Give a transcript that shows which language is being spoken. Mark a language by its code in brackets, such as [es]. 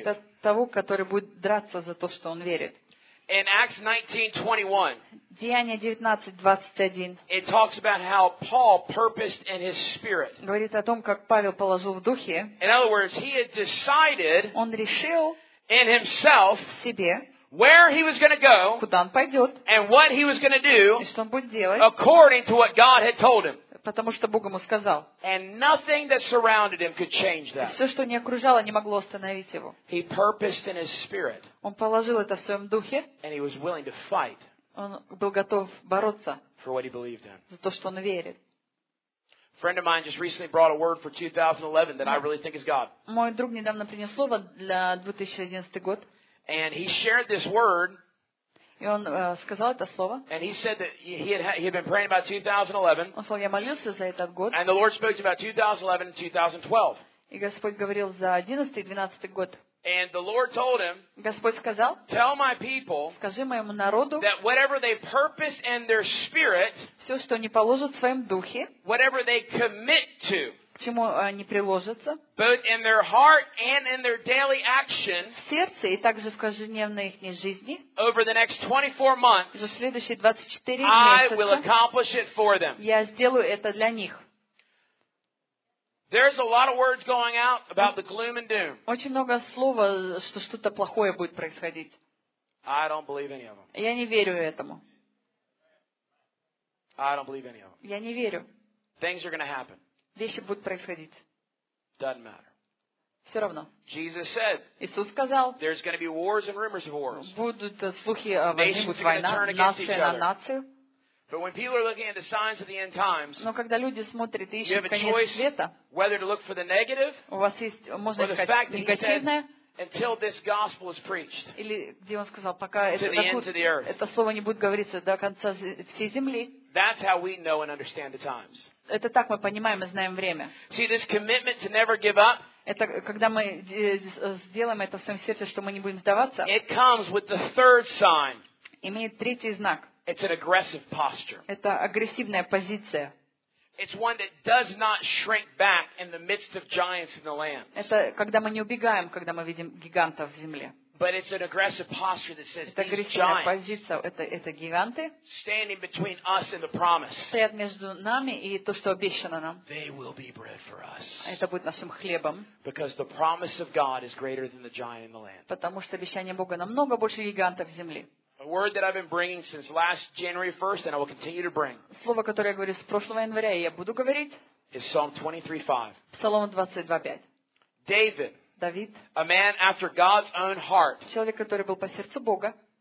[ru] Это того, который будет драться за то, что он верит. [en] In Acts 19:21. [ru] Деяния 19:21. [en] It talks about how Paul purposed in his spirit. [ru] Говорит о том, как Павел положил в духе. [en] In other words, he had decided. [ru] Он решил. [en] In himself. [ru] В себе. [en] Where he was going to go, [ru] куда он пойдет, [en] and what he was going to do, [ru] и что он будет делать, [en] according to what God had told him, [ru] потому что Бог ему сказал, [en] and nothing that surrounded him could change that. [ru] Все, что не окружало, не могло остановить его. [en] He purposed in his spirit, [ru] он положил это в своем духе, [en] and he was willing to fight, [ru] он был готов бороться, [en] for what he believed in, [ru] за то, что он верит. [en] Friend of mine just recently brought a word for 2011 that I really think is God. [ru] Мой друг недавно принес слово для 2011 год. [en] And he shared this word. [ru] И он сказал это слово. [en] And he said that he had been praying about 2011. [ru] Он сказал, я молился за этот год. [en] And the Lord spoke about 2011 and 2012. [ru] И Господь говорил за 11 и 12 год. [en] And the Lord told him. [ru] Господь сказал. [en] Tell my people. [ru] Скажи моему народу. [en] That whatever they purpose in their spirit. [ru] Все, что они положат в своем духе. [en] Whatever they commit to. [ru] К чему они приложатся. [en] Both in their heart and in their daily action, [ru] в сердце и также в каждодневной их жизни [en] over the next 24 months, [ru] за следующие 24 месяца [en] I will accomplish it for them. [ru] Я сделаю это для них. [en] There's a lot of words going out about the gloom and doom. [ru] Очень много слова, что что-то плохое будет происходить. [en] I don't believe any of them. [ru] Я не верю этому. [en] I don't believe any of them. [ru] Я не верю. [en] Things are going to happen. [ru] Вещи будут происходить. [en] Doesn't matter. [ru] Все равно. [en] Jesus said, [ru] Иисус сказал, [en] there's going to be wars and rumors of wars. [ru] Будут слухи о войне, будет война, нация на нацию. [en] But when people are looking at the signs of the end times, [ru] но когда люди смотрят и ищут конец света, [en] whether to look for the negative, [ru] у вас есть, можно искать негативное, [en] until this gospel is preached, [ru] или где он сказал, пока это слово не будет говориться до конца всей земли. [en] That's how we know and understand the times. [ru] Это так мы понимаем и знаем время. [en] See, this commitment to never give up, [ru] это когда мы сделаем это в своем сердце, что мы не будем сдаваться. [en] It comes with the third sign. [ru] Имеет третий знак. [en] It's an aggressive posture. [ru] Это агрессивная позиция. [en] It's one that does not shrink back in the midst of giants in the land. [ru] Это когда мы не убегаем, когда мы видим гигантов в земле. [en] But it's an aggressive posture that says [ru] это агрессивная позиция, это гиганты, [en] standing between us and the promise. [ru] Стоят между нами и то, что обещано нам. [en] They will be bread for us. [ru] Это будет нашим хлебом. [en] Because the promise of God is greater than the giant in the land. [ru] Потому что обещание Бога намного больше гигантов в земле. [en] A word that I've been bringing since last January 1st, and I will continue to bring. [ru] Слово, которое я говорю с прошлого января, я буду говорить. [en] Is Psalm 23:5. [ru] Псалом 22:5. [en] David. [ru] David, [en] a man after God's own heart, [ru] человек, который был по сердцу Бога,